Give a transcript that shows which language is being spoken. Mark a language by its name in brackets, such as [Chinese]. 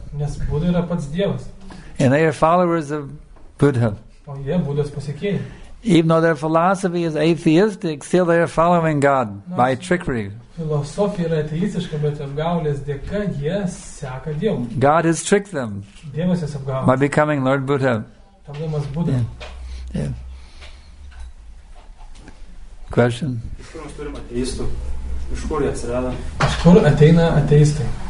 [Lithuanian] Nes Buddha yra pats Dievas. [English] And they are followers of Buddha. [Lithuanian] O jie Buddhas pasiekėjai. [English] Even though their philosophy is atheistic, still they are following God by trickery. [Lithuanian] Filosofija yra ateistiška, bet apgaulės dėka jie seka Dievą. [English] God has tricked them. [Lithuanian] Dievas jas apgavo. [English] By becoming Lord Buddha. [Lithuanian] Tapdamas Buddha. [English] Yeah. Yeah. Question. [Lithuanian] Iš kur mes turim ateistų? Iš kur ateina ateistai?